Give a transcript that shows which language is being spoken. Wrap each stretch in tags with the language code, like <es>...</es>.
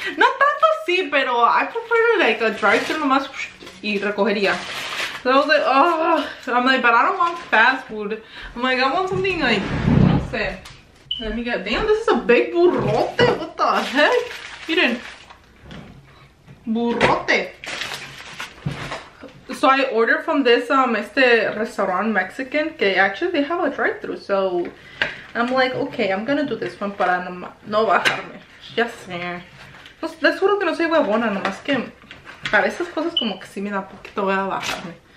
<es>No tanto así, pero</es> <en>I prefer like a drive-thru</en> <es>nomás y recogería.</es> <en>So I was like, oh, I'm like, but I don't want fast food. I'm like, I want something like,</en> <es>no sé.</es> <en>Let me get, damn, this is a big burrote, what the heck? Miren. Burrote. So I ordered from this este restaurant Mexican, que actually they have a drive-thru, so I'm like, okay, I'm gonna do this one</en> <es>para no bajarme. Ya sé. Les juro que no soy huevona, nomás que para esas cosas como que sí me da poquito voy a bajarme.</es>